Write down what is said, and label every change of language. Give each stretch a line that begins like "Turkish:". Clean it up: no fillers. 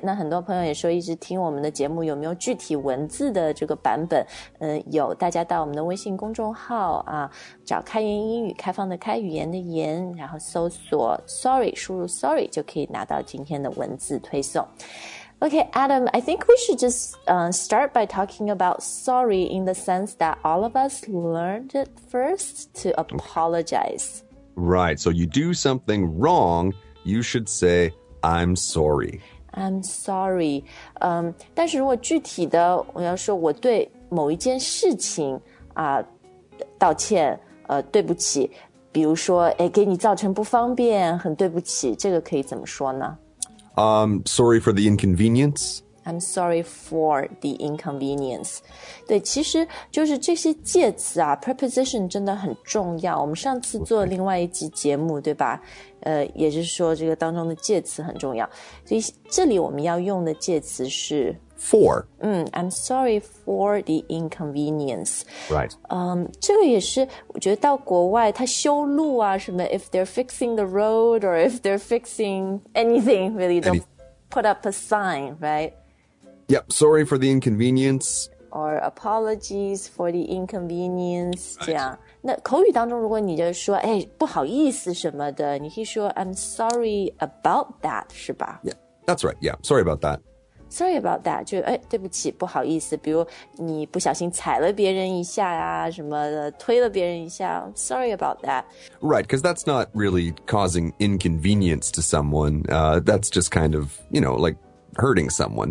Chinese: 那很多朋友也说一直听我们的节目有没有具体文字的这个版本有大家到我们的微信公众号啊找开言英语开放的开语言的言然后搜索 sorry, 输入 sorry, 就可以拿到今天的文字推送。
English: Okay, Adam, I think we should just start by talking about sorry in the sense that all of us learned it first to apologize. Right, so you do something wrong, you should say, I'm sorry. I'm sorry.
Chinese: 但是如果具体的我要说我对某一件事情道歉对不起比如说给你造成不方便很对不起这个可以怎么说呢
English: Sorry for the inconvenience. I'm sorry for the inconvenience.
Chinese: 对，其实就是这些介词啊 ，preposition 真的很重要。我们上次做另外一集节目，对吧？也是说这个当中的介词很重要。所以这里我们要用的介词是
English: for. I'm sorry for the inconvenience. Right.
Chinese: 这个也是，我觉得到国外他修路啊什么
English: ，if they're fixing the road or if they're fixing anything, really don't put up a sign, right? Yep. Sorry for the inconvenience. Or apologies for the inconvenience.
Chinese: Right. 这样，那口语当中，如果你就说，哎，不好意思什么的，你可以说
English: I'm sorry about that,
Chinese: 是吧
English: ？Yeah, that's right. Yeah, sorry about that. Sorry about that,
Chinese: 就哎，对不起，不好意思。比如你不小心踩了别人一下呀，什么的，推了别人一下。
English: Sorry about that. Right, because that's not really causing inconvenience to someone. That's just kind of, you know, like hurting someone.